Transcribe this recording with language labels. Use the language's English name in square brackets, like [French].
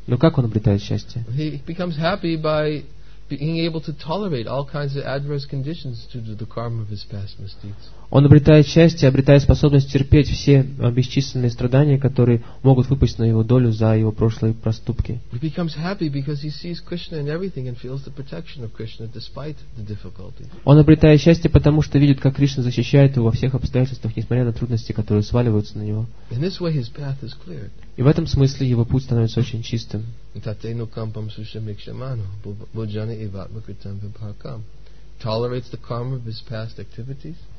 [Russian] Но как он обретает счастье? [English] He becomes happy by being able to tolerate all kinds of adverse conditions due to the karma of his past misdeeds. [Russian] Он обретает счастье, обретая способность терпеть все бесчисленные страдания, которые могут выпасть на его долю за его прошлые проступки. [English] He becomes happy because he sees Krishna in everything and feels the protection of Krishna despite the difficulties. [Russian] Он обретает счастье, потому что видит, как Кришна защищает его во всех обстоятельствах, несмотря на трудности, которые сваливаются на него. [English] In this way, his path is cleared. [Russian] И в этом смысле его путь становится очень чистым. [Sanskrit] Tateno kampam sushamikshamano bhujane evatmakritam vibhakam. [English] Tolerates the karma of his past activities.